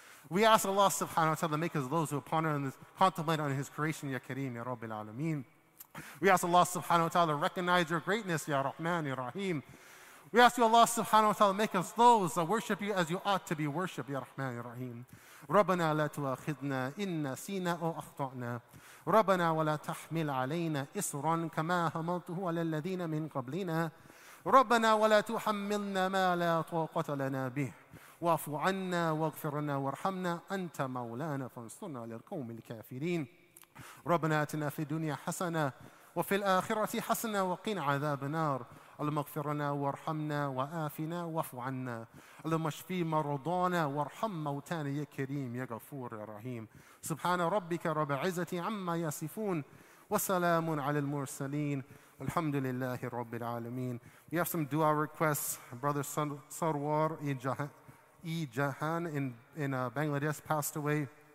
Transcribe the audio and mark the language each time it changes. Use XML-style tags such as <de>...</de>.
<en>We ask Allah subhanahu wa ta'ala to make us those who ponder and contemplate on His creation, Ya Kareem, Ya Rabbil Alameen. We ask Allah subhanahu wa ta'ala to recognize Your greatness, Ya Rahman, Ya Rahim. We ask You, Allah subhanahu wa ta'ala, make us those that worship You as You ought to be worshipped, Ya Rahman, Ya Rahim.</en> <ar>ربنا لا تؤاخذنا إن نسينا أو أخطأنا ربنا ولا تحمل علينا إصرا كما حملته على الذين من قبلنا ربنا ولا تحملنا ما لا طاقة لنا به واعف عنا واغفر لنا وارحمنا أنت مولانا فانصرنا على القوم الكافرين ربنا آتنا في الدنيا حسنة وفي الآخرة حسنة وقنا عذاب النار اللهم اغفر لنا وارحمنا وآفنا واعف عنا اللهم اشف مرضانا وارحم موتانا يا كريم يا غفور يا رحيم سبحان ربك رب العزة عما يصفون وسلام على المرسلين الحمد لله رب العالمين.</ar> <en>We have some dua requests. Brother Sarwar Ejahan in Bangladesh passed away.</en>